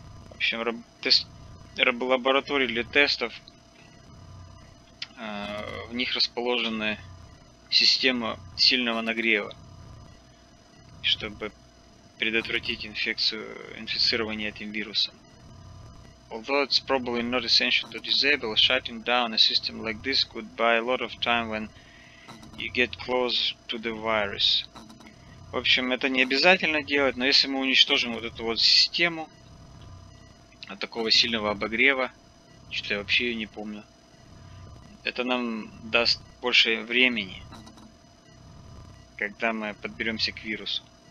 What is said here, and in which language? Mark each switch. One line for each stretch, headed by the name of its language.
Russian: В общем, лаборатории для тестов, в них расположена система сильного нагрева, чтобы предотвратить инфицирование этим вирусом.
English: Although it's probably not essential to disable, shutting down a system like this could buy a lot of time when you get close to the virus.
Russian: В общем, это не обязательно делать, но если мы уничтожим вот эту вот систему от такого сильного обогрева, что я вообще ее не помню, это нам даст больше времени, когда мы подберемся к вирусу.